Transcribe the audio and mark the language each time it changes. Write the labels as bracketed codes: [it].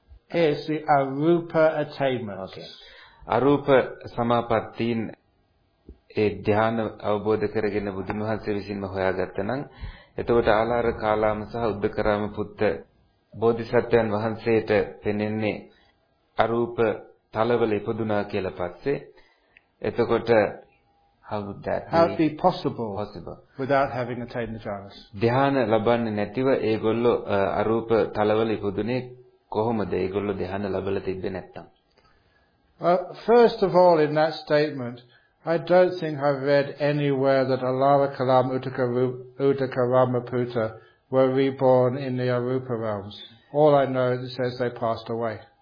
[en] is the arupa attainment [si] arupa samapattin ඒ ධ්‍යාන අවබෝධ කරගෙන බුදුන් වහන්සේ විසින්ම හොයාගත්තා නම් එතකොට ආලාර කාලාම සහ උද්දකරාම පුත්ත බෝධිසත්වයන් වහන්සේට පෙනෙන්නේ අරූප තලවල ඉපදුනා කියලා පස්සේ එතකොට [en] how would that be? How would it be possible? Possible. Without having attained the jhanas. [si] ධ්‍යාන ලබන්නේ නැතිව ඒගොල්ලෝ අරූප තලවල ඉපදුනේ කොහොමද? ඒගොල්ලෝ ධ්‍යාන ලැබලා තිබ්බේ නැත්තම්. [en] First of all in that statement I don't think I've read anywhere that Alaraka Lama Uttaka Ramaputta were reborn in the arupa realms. All I know is it says they passed away.